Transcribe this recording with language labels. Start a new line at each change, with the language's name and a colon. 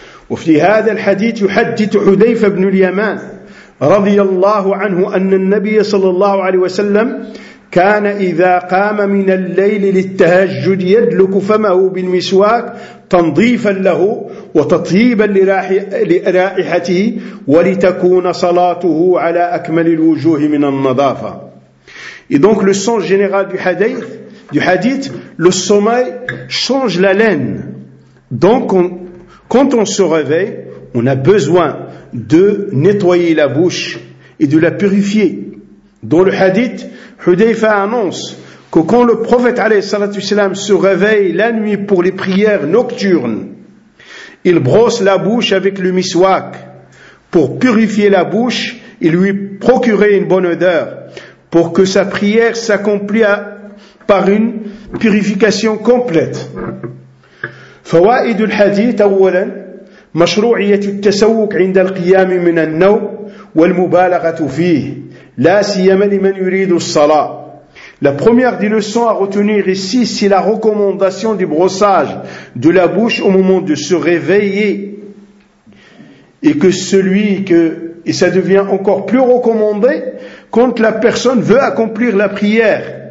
Arabic: وفي هذا الحديث يحدث حذيفة بن اليمان رضي الله عنه أن النبي صلى الله عليه وسلم كان إذا قام من الليل للتهجد يدلك فمه بالمسواك تنظيفا له وتطيبا لرائحته ولتكون صلاته على أكمل الوجوه من النظافة.
French: Et donc le sens général du hadith, le sommeil change la laine. Donc quand on se réveille, on a besoin de nettoyer la bouche et de la purifier. Dans le hadith, Hudayfa annonce que quand le prophète alayhi salatu wasalam se réveille la nuit pour les prières nocturnes, il brosse la bouche avec le miswak pour purifier la bouche et lui procurer une bonne odeur pour que sa prière s'accomplisse par une purification complète.
Arabic: Fawaid al-hadith awwalan مشروعية التسوق عند القيام من النوم والمبالغة فيه لا سيما لمن يريد الصلاة.
French: La première des leçons à retenir ici, c'est la recommandation du brossage de la bouche au moment de se réveiller, et ça devient encore plus recommandé quand la personne veut accomplir la prière.